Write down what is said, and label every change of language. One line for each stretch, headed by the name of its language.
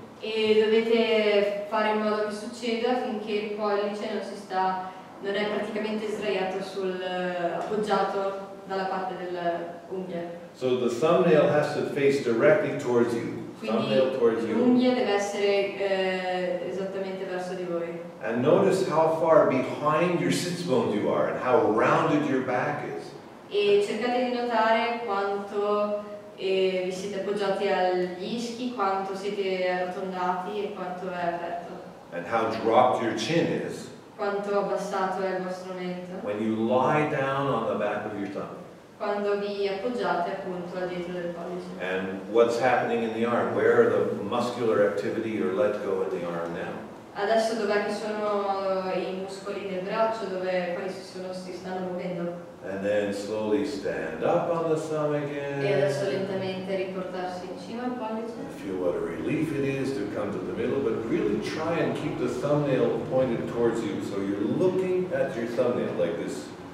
Italian: E dovete fare in modo che succeda finché il pollice non è praticamente sdraiato appoggiato dalla parte dell'unghia.
English: So the thumbnail has to face directly towards you.
Italian: L'unghia deve essere esattamente verso di voi.
English: And notice how far behind your sits bones you are and how rounded your back is.
Italian: E cercate di notare quanto vi siete appoggiati agli ischi, quanto siete arrotondati e quanto è aperto.
English: And how dropped your chin is.
Italian: Quanto abbassato è il vostro mento.
English: When you lie down on the back of your thumb.
Italian: Quando vi appoggiate appunto al dietro del pollice.
English: And what's happening in the arm? Where are the muscular activity or let go in the arm now?
Italian: Adesso dov'è che sono i muscoli del braccio? Dove quali si sono si stanno muovendo?
English: And then slowly stand up on the thumb again.
Italian: E adesso lentamente riportarsi in cima al pollice.
English: And feel what a relief it is to come to the middle, but really try and keep the thumbnail pointed towards you, so you're looking at your thumbnail like this.